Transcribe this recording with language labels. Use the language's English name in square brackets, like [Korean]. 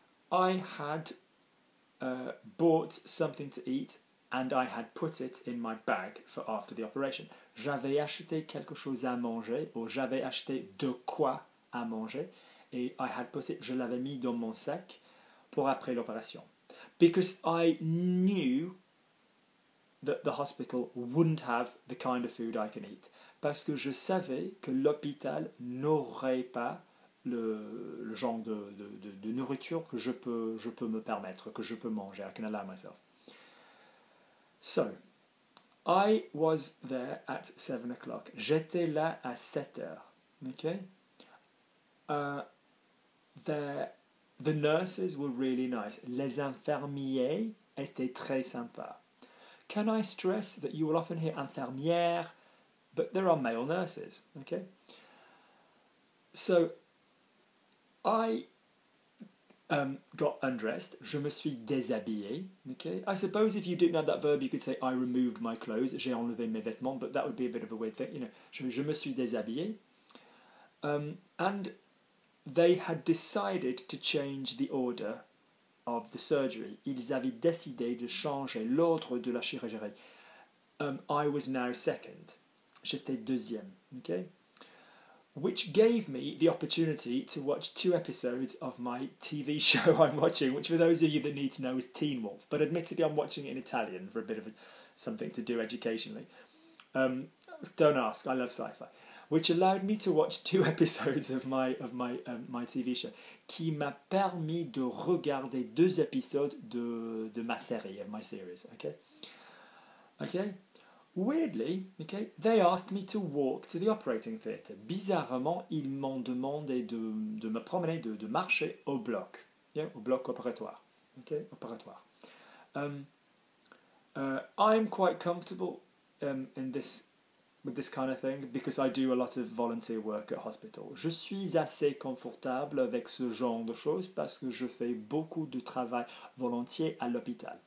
[English] I had bought something to eat and I had put it in my bag for after the operation. [French] J'avais acheté quelque chose à manger, or j'avais acheté de quoi à manger, et [English] I had put it, [French] je l'avais mis dans mon sac pour après l'opération. [English] Because I knew that the hospital wouldn't have the kind of food I can eat. [French] Parce que je savais que l'hôpital n'aurait pas le genre de nourriture que je peux me permettre, que je peux manger, [English] I can allow myself. So, I was there at 7 o'clock. [French] J'étais là à 7 heures, okay? [English] The nurses were really nice. [French] Les infirmiers étaient très sympas. [English] Can I stress that you will often hear infirmière, but there are male nurses, okay? So, I got undressed. [French] Je me suis déshabillé. Okay. [English] I suppose if you didn't have that verb, you could say I removed my clothes. [French] J'ai enlevé mes vêtements. [English] But that would be a bit of a weird thing. You know, [French] je me suis déshabillé. [English] And they had decided to change the order of the surgery. [French] Ils avaient décidé de changer l'ordre de la chirurgie. [English] I was now second. [French] J'étais deuxième. [English] Okay. Which gave me the opportunity to watch two episodes of my TV show I'm watching, which for those of you that need to know is Teen Wolf. But admittedly, I'm watching it in Italian for a bit of something to do educationally. Don't ask, I love sci-fi. Which allowed me to watch two episodes of my TV show. [French] Qui m'a permis de regarder deux épisodes de ma série, [English] of my series, [French] okay? [English] Okay? Weirdly, okay, they asked me to walk to the operating theatre. [French] Bizarrement, ils m'ont demandé de me promener, de marcher au bloc, yeah, au bloc opératoire. Okay, opératoire. [English] I'm quite comfortable with this kind of thing because I do a lot of volunteer work at hospital. [French] Je suis assez confortable avec ce genre de choses parce que je fais beaucoup de travail volontier à l'hôpital.